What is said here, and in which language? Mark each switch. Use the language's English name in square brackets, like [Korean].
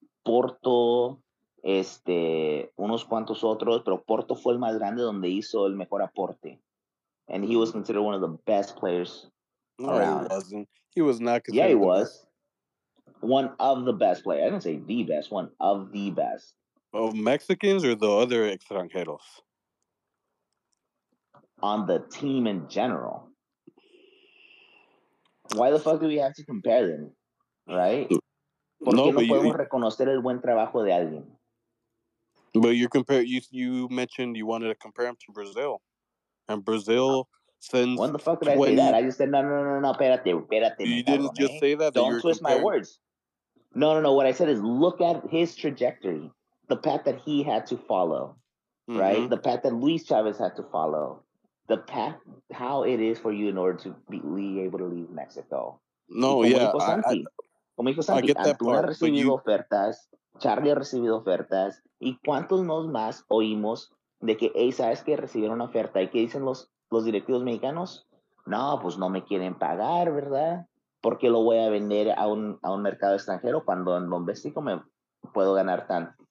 [Spanish] Porto, unos cuantos otros, pero Porto fue el más grande donde hizo el mejor aporte. [English] And he was considered one of the best players around. No, he wasn't. He was not considered. Yeah, he was. One of the best players. I didn't say the best. One of the best. Of Mexicans or the other extranjeros? On the team in general. Why the fuck do we have to compare them? Right? [Spanish] No, no podemos reconocer el buen trabajo de alguien. [English] But you mentioned you wanted to compare him to Brazil. And Brazil sends. When the fuck did 20... I say that? I just said, [Spanish] no, espérate. [English] You didn't just say that? Don't that twist comparing... my words. No. What I said is look at his trajectory, the path that he had to follow, mm-hmm. right? The path that Luis Chavez had to follow, the path, how it is for you in order to be able to leave Mexico. [Spanish] No, como dijo Santi, Antuna ha recibido ofertas, Charlie ha recibido ofertas, y cuántos nos más oímos de que, hey, ¿sabes qué? Recibieron una oferta. ¿Y qué dicen los directivos mexicanos? No, pues no me quieren pagar, ¿verdad? ¿Por qué lo voy a vender a un mercado extranjero cuando en Bombéstico me puedo ganar tanto?